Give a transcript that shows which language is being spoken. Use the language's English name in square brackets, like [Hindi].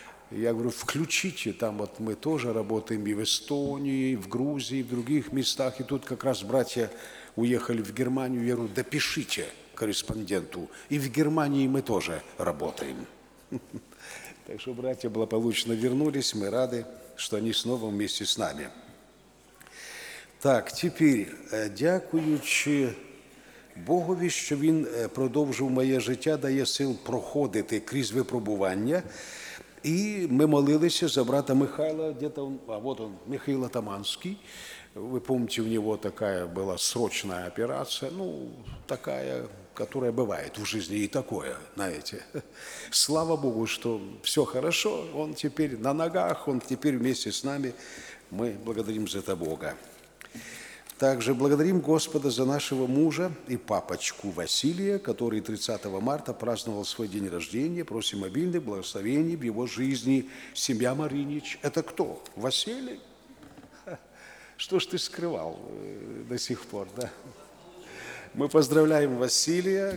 [Russian] Я говорю, включите, там вот мы тоже работаем и в Эстонии, и в Грузии, и в других местах. И тут как раз братья уехали в Германию. Я говорю, допишите корреспонденту. И в Германии мы тоже работаем. Так что братья благополучно вернулись. Мы рады, что они снова вместе с нами. Так, теперь, [Ukrainian] дякуючи Богові, що Він продовжив моє життя, дає сил проходити крізь випробування. І ми молилися за брата Михайла, де там, [Russian] а вот он, [Ukrainian] Михаил Атаманский. Ви помните, у нього така була срочна операція, ну, така, яка буває в житті, і таке, знаєте. Слава Богу, що все хорошо, він тепер на ногах, він тепер вместе з нами. Ми благодарим за це Бога. [Russian] Также благодарим Господа за нашего мужа и папочку Василия, который 30 марта праздновал свой день рождения. Просим обильных благословений в его жизни. Семья Маринич. Это кто? Василий? Что ж ты скрывал до сих пор, да? Мы поздравляем Василия.